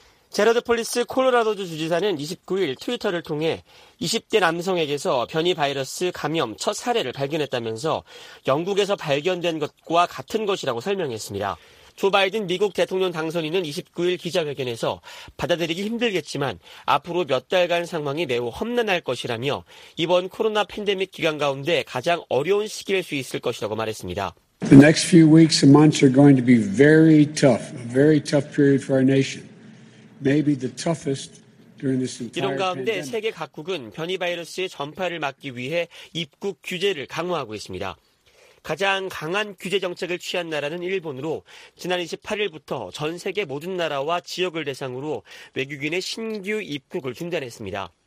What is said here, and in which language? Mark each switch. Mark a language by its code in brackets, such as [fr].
[ko] 제러드 폴리스 콜로라도주 주지사는 29일 트위터를 통해 20대 남성에게서 변이 바이러스 감염 첫 사례를 발견했다면서 영국에서 발견된 것과 같은 것이라고 설명했습니다. 조 바이든 미국 대통령 당선인은 29일 기자회견에서 받아들이기 힘들겠지만 앞으로 몇 달간 상황이 매우 험난할 것이라며 이번 코로나 팬데믹 기간 가운데 가장 어려운 시기일 수 있을 것이라고 말했습니다. [en] The next few weeks and months are going to be very tough, a very tough period for our nation. Maybe the toughest during this entire [ko] 이런 가운데 [en] pandemic. [ko] 세계 각국은 변이 바이러스의 전파를 막기 위해 입국 규제를 강화하고 있습니다. 가장 강한 규제 정책을 취한 나라는 일본으로 지난 28일부터 전 세계 모든 나라와 지역을 대상으로 외국인의 신규 입국을 중단했습니다.